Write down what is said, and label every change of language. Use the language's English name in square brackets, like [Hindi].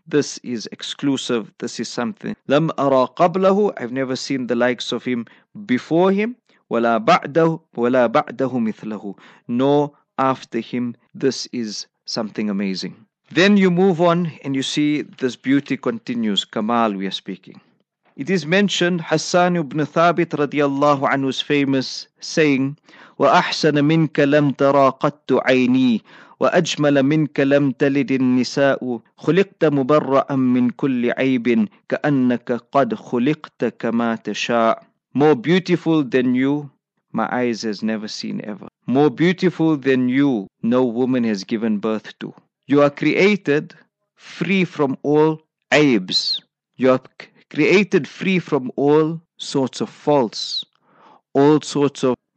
[English] This is exclusive. This is something. [Arabic] لَمْ أَرَى قَبْلَهُ, [English] I've never seen the likes of him before him, [Arabic] وَلَا بَعْدَهُ مِثْلَهُ, [English] nor after him. This is something amazing. Then you move on and you see this beauty continues, Kamal we are speaking. It is mentioned Hassan ibn Thabit radiallahu anhu's famous saying, [Arabic] وَأَحْسَنَ مِنْكَ لَمْ تَرَى قَتُّ عَيْنِي وَأَجْمَلَ مِنْكَ لَمْ تَلِدِ النِّسَاءُ خُلِقْتَ مُبَرَّأً مِنْ كُلِّ عَيْبٍ كَأَنَّكَ قَدْ خُلِقْتَ كَمَا تَشَاءُ. [English] More beautiful than you, my eyes has never seen ever. More beautiful than you, no woman has given birth to. You are created free from all aibs. You are created free from all sorts of faults. All sorts of...